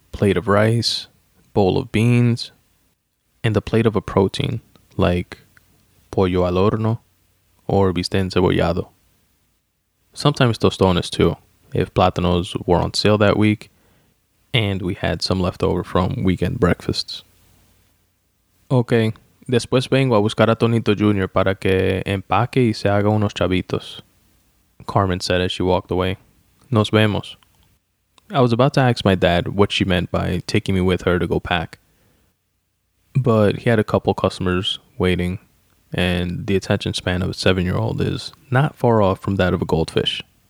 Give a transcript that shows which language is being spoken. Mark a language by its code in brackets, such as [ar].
[en] plate of rice, bowl of beans, and a plate of a protein like pollo al horno or bistec encebollado. Sometimes tostones too, if plátanos were on sale that week and we had some leftover from weekend breakfasts. [es] Okay, después vengo a buscar a Tonito Jr. para que empaque y se haga unos chavitos, [en] Carmen said as she walked away. [es] Nos vemos. [en] I was about to ask my dad what she meant by taking me with her to go pack, but he had a couple customers waiting, and the attention span of a 7-year-old is not far off from that of a goldfish.